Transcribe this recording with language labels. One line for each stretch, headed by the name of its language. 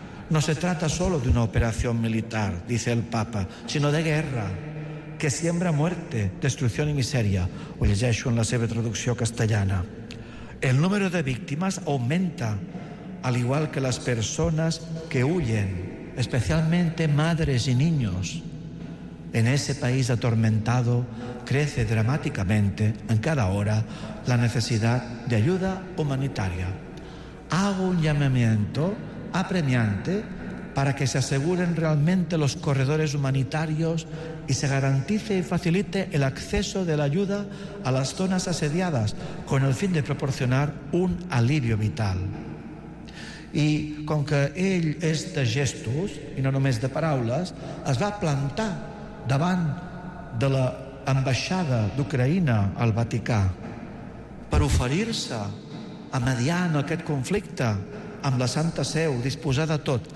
Spanish: No se trata solo de una operación militar, dice el papa, sino de guerra, que siembra muerte, destrucción y miseria.
Catalan: Ho llegeixo en la seva traducció castellana.
Spanish: El número de víctimas aumenta, al igual que las personas que huyen, especialmente madres y niños. En ese país atormentado crece dramáticamente en cada hora la necesidad de ayuda humanitaria. Hago un llamamiento apremiante para que se aseguren realmente los corredores humanitarios y se garantice y facilite el acceso de la ayuda a las zonas asediadas con el fin de proporcionar un alivio vital.
Catalan: I com que ell és de gestos i no només de paraules, es va plantar davant de la ambaixada d'Ucraïna al Vaticà per oferir-se a mediar en aquest conflicte amb la Santa Seu, disposada a tot.